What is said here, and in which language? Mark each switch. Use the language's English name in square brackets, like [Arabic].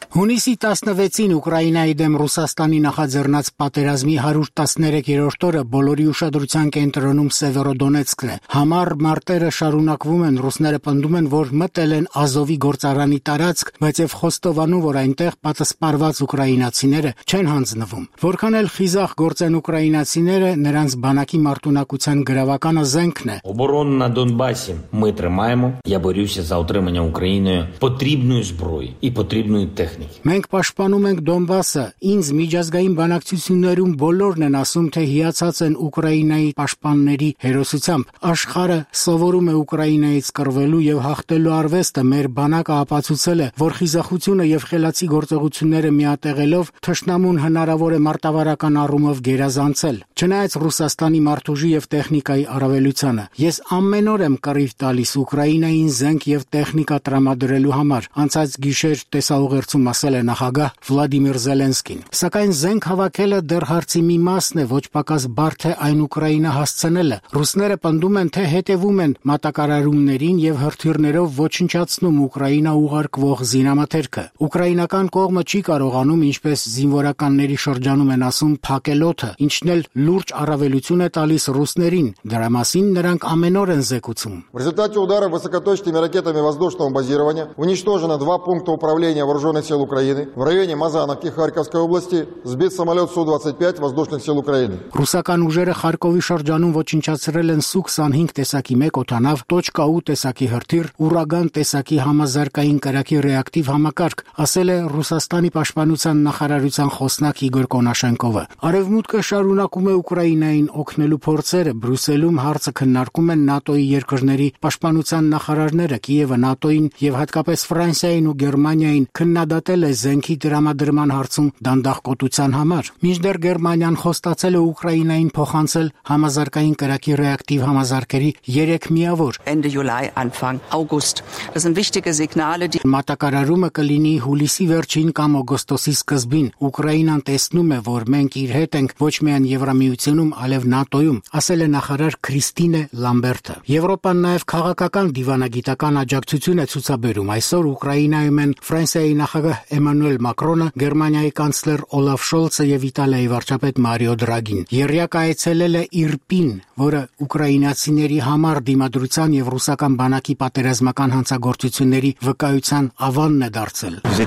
[Armenian] Հունիսի 16-ին Ուկրաինայի դեմ Ռուսաստանի նախաձեռնած պատերազմի 113-րդ օրը բոլորի ուշադրության կենտրոնում Սևերոդոնեցկն է։ Համար մարտերը շարունակվում են, ռուսները պնդում են, որ մտել են Ազովի գործարանի տարածք, բայց եւ խոստովանում, որ այնտեղ պատսպարված ուկրաինացիները չեն հանձնվում։ Որքան էլ խիզախ գործեն ուկրաինացիները, նրանց բանակի արտունակության գրավականը զենքն է։ [Ukrainian] Оборону на Донбасі ми тримаємо. Я борюся за утримання Україною потрібною зброєю і потрібною технікою. [Armenian] Մենք պաշտպանում ենք Դոնբասը, ինձ միջազգային բանակցություններում բոլորն են ասում, թե հիացած են Ուկրաինայի պաշտպանների հերոսությամբ։ Աշխարը սովորում է Ուկրաինայից կռվելու եւ հաղթելու արվեստը, մեր բանակը ապացուցել է, որ խիզախությունը եւ խելացի գործողությունները միատեղելով թշնամուն հնարավոր է մարտավարական առումով գերազանցել։ Չնայած Ռուսաստանի մարդուժի եւ տեխնիկայի առավելությանը, ես ամեն օր եմ կռիվ տալիս Ուկրաինային զենք եւ տեխնիկա տրամադրելու համար, անցած գիշեր տեսաուղերձում ասել է նախագահ Վլադիմիր Զելենսկին։ Սակայն զենք հավաքելը դեռ հարցի մի մասն է, ոչ պակաս բարդ է այն Ուկրաինա հասցնելը։ Ռուսները պնդում են, թե հետևում են մատակարարումներին եւ հրթիռներով ոչնչացնում Ուկրաինա ուղարկվող զինամթերքը։ Ուկրաինական կողմը չի կարողանում, ինչպես զինվորականների շրջանում են ասում, փակել օդը, ինչն էլ լուրջ առավելություն ցուն է տալիս ռուսներին, դրա մասին նրանք ամեն օր են զեկուցում։ [Russian] В результате ударов высокоточными ракетами воздушного базирования уничтожено два пункта управления вооружённых сил Украины в районе Мазановки Харьковской области, сбит самолёт Су-25 воздушных сил Украины։ [Armenian] Ռուսական ուժերը Խարկովի շրջանում ոչնչացրել են Су-25 տեսակի 1 օթանավ, .8 տեսակի հրթիռ, Ուրագան տեսակի համազարկային կրակի ռեակտիվ համակարգ, ասել է Ռուսաստանի պաշտպանության նախարարության խոսնակ Իգոր Կոնաշենկովը։ Արևմուտքը շարունակում է Ուկրաինայի օգնելու փորձերը, Բրյուսելում հարցը քննարկում են ՆԱՏՕ-ի երկրների պաշտպանության նախարարները, Կիևը ՆԱՏՕ-ին եւ հատկապես Ֆրանսիային ու Գերմանիային քննադատել է զենքի դրամադրման հարցում դանդաղ կոտության համար։ Մինչդեռ Գերմանիան խոստացել է Ուկրաինային փոխանցել համազարկային կրակի ռեակտիվ համազարկերի 3 միավոր։ [German] Ende Juli Anfang August. Das sind wichtige Signale, die [Armenian] Մատակարարումը կլինի հուլիսի վերջին կամ օգոստոսի սկզբին։ Ուկրաինան տեսնում է, որ մենք իր հետ ենք ոչ միայն Եվրամիությունում, Ալև ՆԱՏՕ-ում, ասել է նախարար Քրիստինե Լամբերտը։ Եվրոպան նաև քաղաքական դիվանագիտական աջակցություն է ցուցաբերում։ Այսօր Ուկրաինայում են Ֆրանսիայի նախագահ Էմանուել Մակրոնը, Գերմանիայի կանցլեր Օլաֆ Շոլցը եւ Իտալիայի վարչապետ Մարիո Դրագին։ Երյակ այցելել է Իրպին, որը ուկրաինացիների համար դիմադրության եւ ռուսական բանակի պատերազմական հանցագործությունների վկայության ավանն է դարձել։